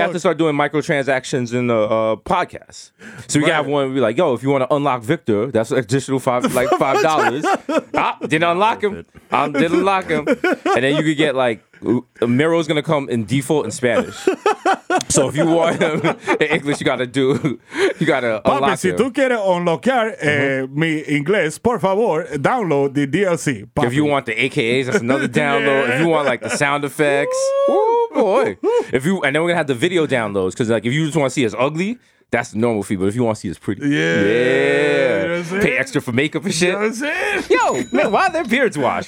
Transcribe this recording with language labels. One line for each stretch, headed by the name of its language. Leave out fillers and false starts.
English: Have to start doing microtransactions in the podcast. So we have one, we like, yo, if you want to unlock Victor, that's an additional $5. Didn't unlock him. And then you could get like Miro's gonna come in default in Spanish. So if you want him in English, you gotta unlock
Spanish: Papi,
English: him.
Spanish: Si tú quieres unlocar mi inglés, por favor,
English: download the DLC.
Spanish: Papi.
English: If you want the AKAs, that's another download. If you want like the sound effects, oh boy. If you, and then we're gonna have the video downloads, because like if you just want to see us ugly, that's the normal fee. But if you want to see us pretty, yeah. Pay extra for makeup and shit. That's it. Yo, man, why are their beards washed?